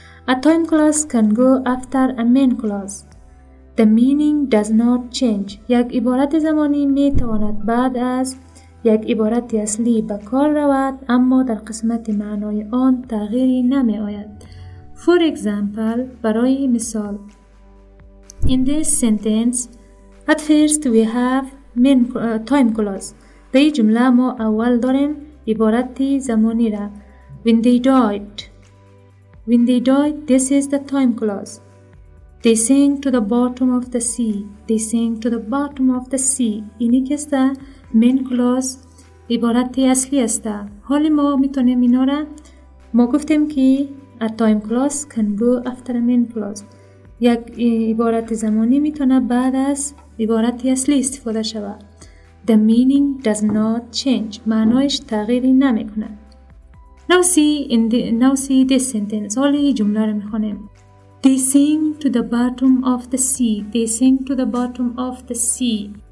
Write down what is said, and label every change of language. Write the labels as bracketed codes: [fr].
[en] A time clause can go after a main clause. The meaning does not change. [fa] یک عبارت زمانی می تواند بعد از یک عبارت اصلی به کار رود، اما در قسمت معنای آن تغییری نمی آید. [en] For example, [fa] برای مثال. [en] In this sentence, at first we have main time clause. [fa] در این جمله ما اول داریم عبارت زمانی را. [en] When they died. When they die, this is the time clause. They sink to the bottom of the sea. They sink to the bottom of the sea. [fa] اینی که است main clause عبارت اصلی است. حال ما میتونیم اینا را ما گفتیم که [en] a time clause can go after a main clause. [fa] یک عبارت زمانی میتونه بعد از عبارت اصلی استفاده شود. [en] The meaning does not change. [fa] معنایش تغییری نمیکنه. [en] Now see this sentence. [fa] حالا این جمله را میخونیم. [en] They sink to the bottom of the sea. They sink to the bottom of the sea.